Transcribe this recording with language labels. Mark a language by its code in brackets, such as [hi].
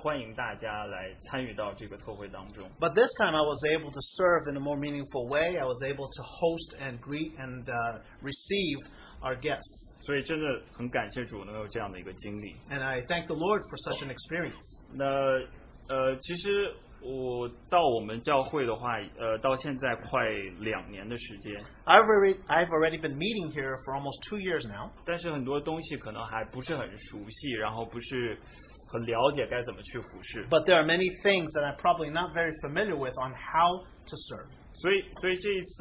[zh] 可以作为真的一个服侍的人，作为一个主人来欢迎大家来参与到这个特会当中。 [en] But this time I was able to serve in a more meaningful way. I was able to host and greet and receive our guests. [zh] 所以真的很感谢主能有这样的一个经历。 [en] And I thank the Lord for such an experience. [zh] 其实我到我们教会的话，到现在快两年的时间。 [en] I've already been meeting here for almost 2 years now. [zh] 但是很多东西可能还不是很熟悉，然后不是很了解该怎么去服侍。 [en] But there are many things that I'm probably not very familiar with on how to serve.